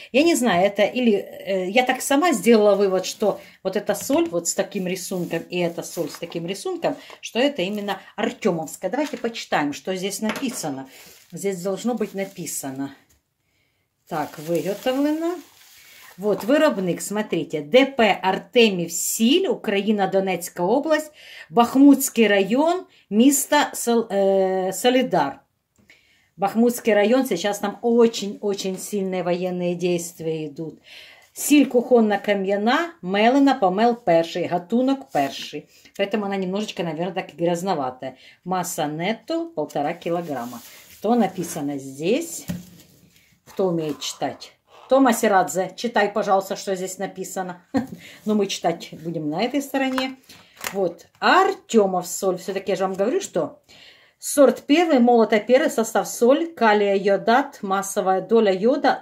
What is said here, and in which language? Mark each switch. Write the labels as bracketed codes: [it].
[ru] Я не знаю, это или... Я так сама сделала вывод, что вот эта соль вот с таким рисунком и эта соль с таким рисунком, что это именно артемовская. Давайте почитаем, что здесь написано. Здесь должно быть написано. Так, выготовлено. Вот, виробник, смотрите. [uk] ДП Артемів Сіль, Україна, Донецька область, Бахмутський район, місто Солідар. [ru] Бахмутський район, сейчас там очень-очень сильные военные действия идут. [uk] Сіль кухонно-кам'яна, мелена, помел перший, гатунок перший. [ru] Поэтому она немножечко, наверное, так грязноватая. Масса нетто 1,5 килограмма. Что написано здесь? Кто умеет читать? Тома Сирадзе, читай, пожалуйста, что здесь написано. Но мы читать будем на этой стороне. Вот, Артемов соль. Все-таки я же вам говорю, что... Сорт первый, молотый перец, состав соль, калия, йодат, массовая доля йода.